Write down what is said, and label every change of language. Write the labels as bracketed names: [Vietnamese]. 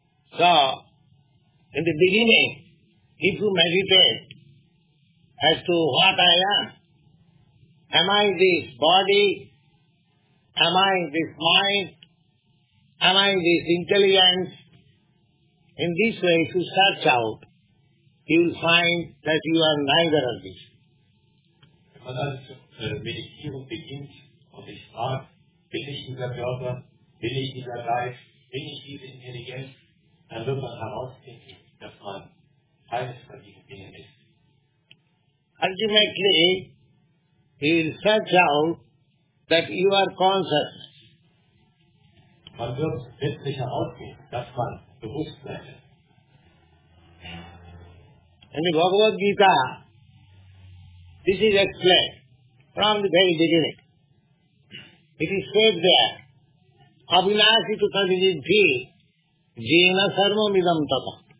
[English] So, in the beginning, if you meditate as to what I am, am I this body? Am I this mind? Am I this intelligence? In this way, if you search out, you will find that you are neither of these. [German] Wenn man also Meditierung beginnt und sich fragt, bin ich dieser Körper, bin ich dieser Geist, bin ich diese Intelligenz, dann wird man herausfinden, dass man keines von diesen Dingen ist. [English] Ultimately, he will search out that you are conscious. [German] Man wird letztlich herausfinden, dass man bewusst ist. [English] In the Bhagavad Gita, this is explained from the very beginning. It is said there, Abhinashi to Kadijidhi, Jena Sarma Midam Tapa.